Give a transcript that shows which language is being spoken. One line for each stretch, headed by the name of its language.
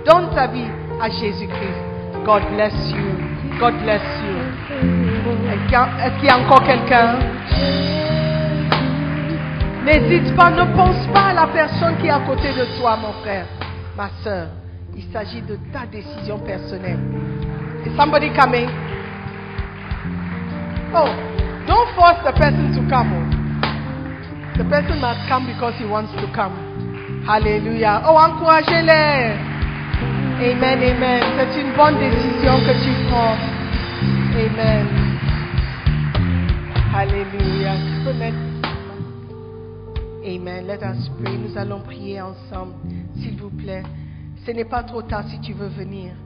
French: Donne ta vie à Jésus-Christ.
English: God bless you. God bless you.
French: Est-ce qu'il y a encore quelqu'un? N'hésite pas, ne pense pas à la personne qui est à côté de toi, mon frère, ma soeur. Il s'agit de ta décision personnelle.
English: Is somebody coming? Oh, don't force the person to come. The person must come because he wants to come.
French: Hallelujah. Oh, encouragez-les. Amen, amen. C'est une bonne décision que tu prends. Amen. Alléluia.
English: Amen. Let us pray.
French: Nous allons prier ensemble, s'il vous plaît. Ce n'est pas trop tard si tu veux venir.